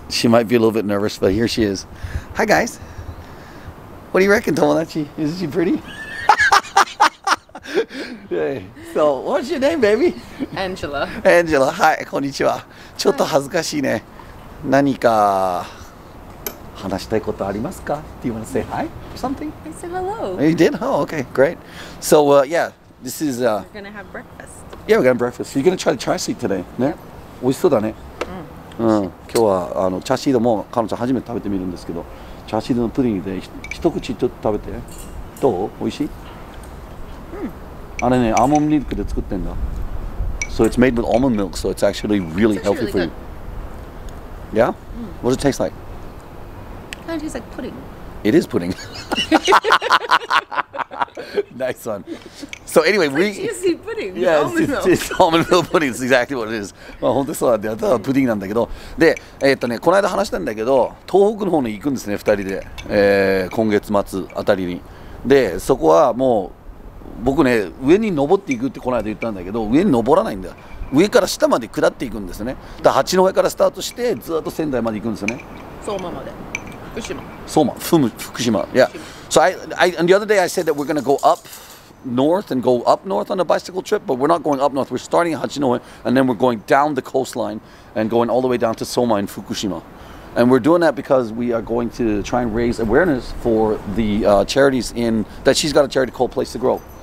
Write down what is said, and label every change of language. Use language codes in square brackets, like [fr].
[en] She might be a little bit nervous, but here she is. Hi, guys. What do you reckon, tomodachi? Isn't she pretty? So, what's your name, baby? Angela. Angela, hi, konnichiwa. [ja] ちょっと恥ずかしいね。何か話したいことありますか? [en] Do you want to say hi or something? I said hello. You did? Oh, okay, great. So, yeah, this is... We're going to have breakfast. Yeah, we're going to have breakfast. You're going to try the chashi today, ね? Yep. [ja] 美味しそうだね。今日はチャーシードも彼女初めて食べてみるんですけど、チャーシードのプリンで一口ちょっと食べて。どう?美味しい? あれね、アーモンドミルクで作ってんだ。 [en] So it's made with almond milk, so it's actually really it's actually healthy for、 good. you. Yeah?、Mm. What does it taste like? It kind of tastes like pudding. It is pudding. Nice one. So anyway, it's It's、like、juicy pudding. Yeah, almond milk. It's almond milk pudding. It's exactly what it is. [ja] まあ本当そうだね。ただ、pudding なんだけど。で、この間話したんだけど、東北の方に行くんですね、二人で。今月末あたりに。で、そこはもう、僕ね、上に登っていくってこの間言ったんだけど、上に登らないんだ。上から下まで下っていくんですね。だから八戸からスタートして、ずっと仙台まで行くんですよね。相馬まで。福島。相馬。福島。 [en] Yeah. 福島。 So, and the other day I said that we're going to go up north and go up north on a bicycle trip, but we're not going up north. We're starting in 八戸 and then we're going down the coastline and going all the way down to 相馬 in 福島。 And we're doing that because we are going to try and raise awareness for the、charities in that she's got a charity called Place to Grow.、